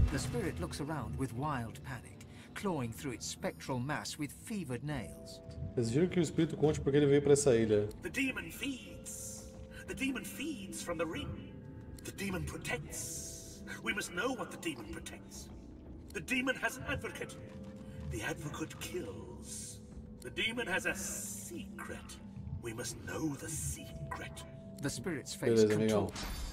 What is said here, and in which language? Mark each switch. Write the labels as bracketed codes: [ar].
[en] The spirit looks around with wild panic, clawing through its spectral mass with fevered nails. [pt] Vocês viram que o espírito conte porque ele veio para essa ilha. [en] The demon feeds. The demon feeds from the ring. The demon protects. We must know what the demon protects. The demon has an advocate. The advocate kills. The demon has a secret. We must know the secret. The spirit's face contorts.